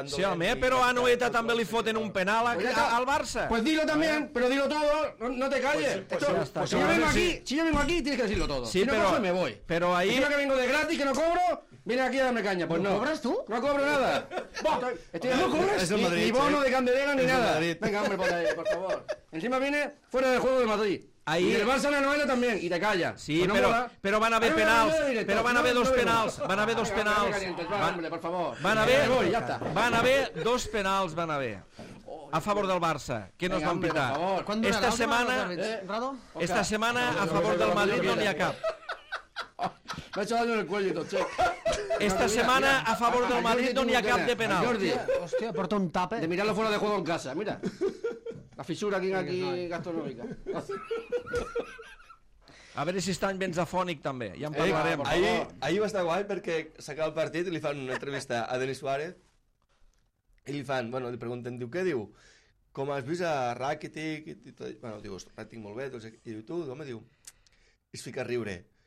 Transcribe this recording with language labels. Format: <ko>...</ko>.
<ca>Sí, home, però a Noeta també li foten un penal al Barça.</ca> <es>Pues dilo también, pero dilo todo. No te calles. Si yo vengo aquí, tienes que decirlo todo. Si no paso, me voy. Pero ahí... Yo que vengo de gratis, que no cobro, viene aquí a darme caña. Pues no. ¿Cobras tú? No cobro nada. ¿No cobras? Ni bono de Candelera ni nada. Venga, hombre, por ahí, por favor. Encima viene fuera del juego de Madrid. Ahí. Y el Barça en la novela también. Y te calla. Sí, pues pero van a haber penals. Pero van a haber dos penals. Van a haber dos penals. Van a haber dos penals. Van a haber. A favor del Barça,</es> <ca>que no es van pitar.</ca> <es>Esta semana. Esta semana a favor del Madrid</es> <ca>no n'hi ha cap.</ca> <es>Me ha hecho daño en el cuello y todo, che. Esta semana a favor del Madrid</es> <ca>no n'hi ha cap de penal. Jordi. Hostia, porta un tape.</ca> <es>De mirarlo fuera de juego en casa, mira.</es> <ca>La fissura aquí gastronòmica. A veure si estan ben zafònic també, ja en parlarem. Ahir va estar guai perquè s'acaba el partit i li fan una entrevista a Denis Suárez i li fan, bueno, li pregunten, diu, què diu? Com has vist a Rakitic? Bueno, diu, Rakitic molt bé, doncs, i diu, tu, home, diu, es fica a riure.</ca>